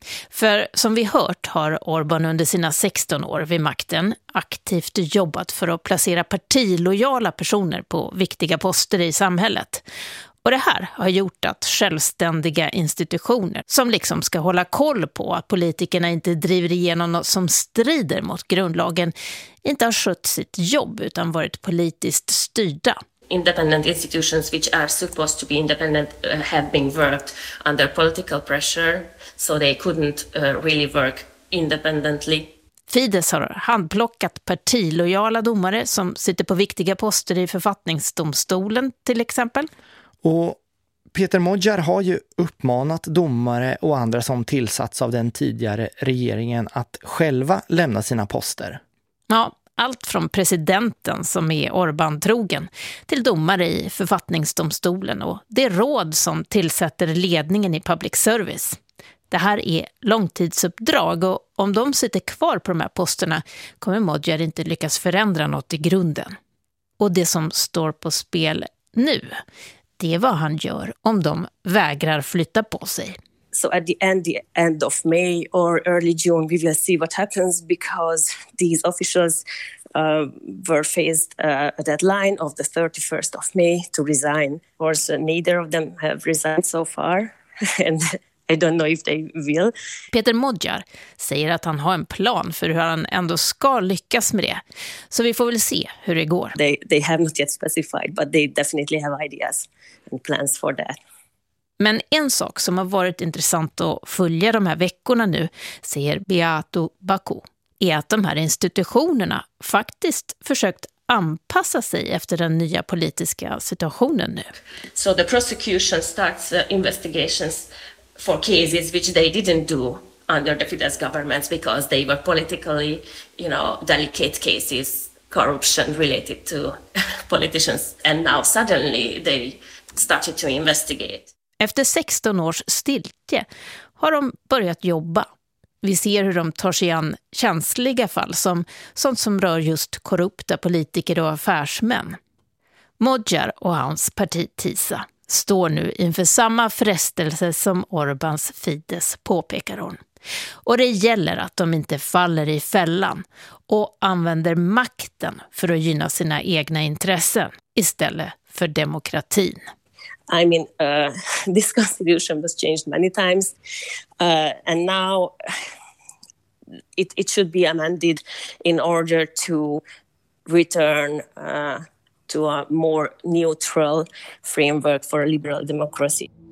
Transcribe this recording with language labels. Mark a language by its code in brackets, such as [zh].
[sv] För som vi hört har Orbán under sina 16 år vid makten aktivt jobbat för att placera partilojala personer på viktiga poster i samhället. Och det här har gjort att självständiga institutioner som liksom ska hålla koll på att politikerna inte driver igenom något som strider mot grundlagen inte har skött sitt jobb utan varit politiskt styrda. [en] Independent institutions which are supposed to be independent have been worked under political pressure, so they couldn't really work independently. [sv] Fidesz har handplockat partilojala domare som sitter på viktiga poster i författningsdomstolen till exempel. Och Peter Modjar har ju uppmanat domare och andra som tillsatts av den tidigare regeringen att själva lämna sina poster. Ja, Allt från presidenten som är Orbán-trogen till domare i författningsdomstolen och det råd som tillsätter ledningen i public service. Det här är långtidsuppdrag och om de sitter kvar på de här posterna kommer Modjer inte lyckas förändra något i grunden. Och det som står på spel nu, det är vad han gör om de vägrar flytta på sig. [en] So at the end of May or early June, we will see what happens because these officials were faced a deadline of the 31st of May to resign. Of course, neither of them have resigned so far, and I don't know if they will. [sv] Peter Modjar säger att han har en plan för hur han ändå ska lyckas med det. Så vi får väl se hur det går. [en] They have not yet specified, but they definitely have ideas and plans for that. [sv] Men en sak som har varit intressant att följa de här veckorna nu, säger Beato Baku, är att de här institutionerna faktiskt försökt anpassa sig efter den nya politiska situationen nu. [en] So the prosecution starts investigations for cases which they didn't do under the Fidesz governments because they were politically, you know, delicate cases, corruption related to politicians, and now suddenly they started to investigate. [sv] Efter 16 års stiltje har de börjat jobba. Vi ser hur de tar sig an känsliga fall som sånt som rör just korrupta politiker och affärsmän. Modjar och hans parti TISA står nu inför samma frestelse som Orbáns Fidesz, påpekar hon. Och det gäller att de inte faller i fällan och använder makten för att gynna sina egna intressen istället för demokratin. [en] I mean, this constitution was changed many times, and now it should be amended in order to return to a more neutral framework for a liberal democracy.